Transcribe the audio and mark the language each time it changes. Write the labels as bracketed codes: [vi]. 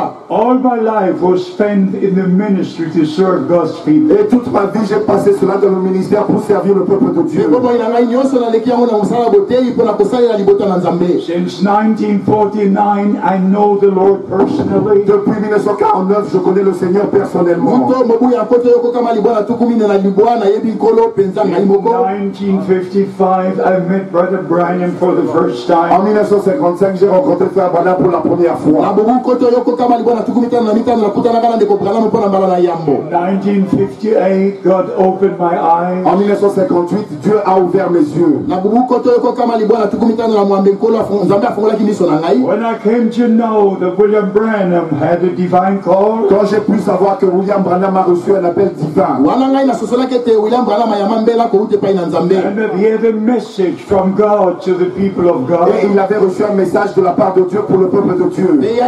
[en] All my life was spent in the ministry to serve God's people. [fr] Et toute ma vie j'ai passé cela dans le ministère pour servir le peuple de Dieu. [en] Since 1949 I know the Lord personally. [fr] Depuis 1949 je connais le Seigneur personnellement. [en] In 1955 I met Brother Branham for the first time. [fr] En 1955, j'ai rencontré Frère Branham pour la première fois. En 1958, [en] God opened my eyes. [fr] En 1958, Dieu a ouvert mes yeux. [en] When I came to know that William Branham had a divine call, [fr] quand j'ai pu savoir que William Branham a reçu un appel divin, [en] and that he had a message from God to the people of God, [fr] avait reçu un message de la part de Dieu pour le peuple de Dieu.